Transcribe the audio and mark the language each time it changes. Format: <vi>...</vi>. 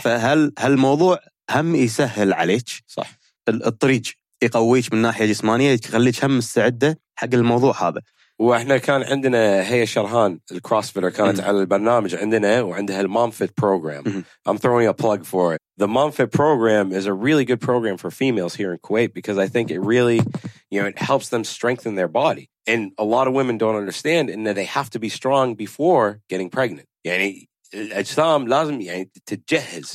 <ar>فهل هالموضوع هم يسهل عليك. صح. الطريق يقويك من ناحية جسمانية يخليك هم مستعدة حق الموضوع هذا. وإحنا كان عندنا هي شرهان الكروسفيتر كانت على البرنامج عندنا وعندها المامفيت بروجرام.</ar> <en>I'm throwing a plug for it. The MomFit program is a really good program for females here in Kuwait because I think it really, you know, it helps them strengthen their body. And a lot of women don't understand in that they have to be strong before getting pregnant.</en> <ar>يعني الأجسام لازم يعني تتجهز.</ar>